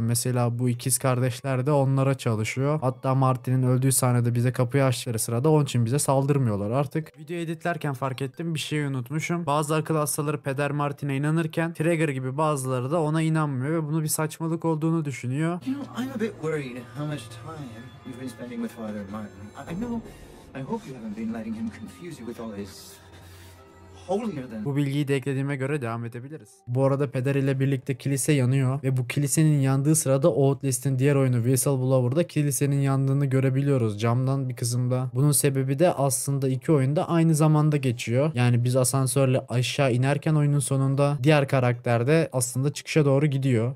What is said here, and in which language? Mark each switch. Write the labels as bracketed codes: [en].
[tr] Mesela bu ikiz kardeşler de onlara çalışıyor. Hatta Martin'in öldüğü sahnede bize kapıyı açtığı sırada onun için bize saldırmıyorlar artık. Videoyu editlerken fark ettim, bir şey unutmuşum. Bazı akıl hastaları Peder Martin'e inanırken Trigger gibi bazıları da ona inanmıyor ve bunu bir saçmalık olduğunu düşünüyor. [en] You know, I'm a bit worried how much time you've been spending with Father Martin. I know. I hope you haven't been letting him confuse you with all his [tr] olmuyor. Bu bilgiyi de eklediğime göre devam edebiliriz. Bu arada Peder ile birlikte kilise yanıyor ve bu kilisenin yandığı sırada Outlast'in diğer oyunu Whistle Blower'da kilisenin yandığını görebiliyoruz camdan bir kısımda. Bunun sebebi de aslında iki oyunda aynı zamanda geçiyor. Yani biz asansörle aşağı inerken oyunun sonunda diğer karakter de aslında çıkışa doğru gidiyor.